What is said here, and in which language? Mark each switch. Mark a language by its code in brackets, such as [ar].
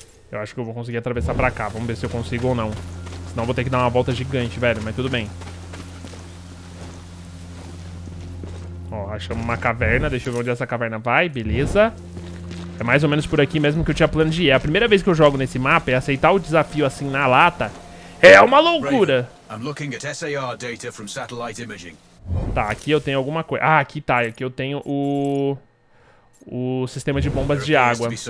[pt] Eu acho que eu vou conseguir atravessar pra cá. Vamos ver se eu consigo ou não. Senão eu vou ter que dar uma volta gigante, velho. Mas tudo bem. Ó, achamos uma caverna. Deixa eu ver onde essa caverna vai. Beleza. É mais ou menos por aqui mesmo que eu tinha plano de ir. A primeira vez que eu jogo nesse mapa é aceitar o desafio assim na lata. É uma loucura. [en] Raven, I'm looking at SAR data from satellite imaging. [pt] Tá, aqui eu tenho alguma coisa. Ah, aqui tá. Aqui eu tenho o... O sistema de bombas de água.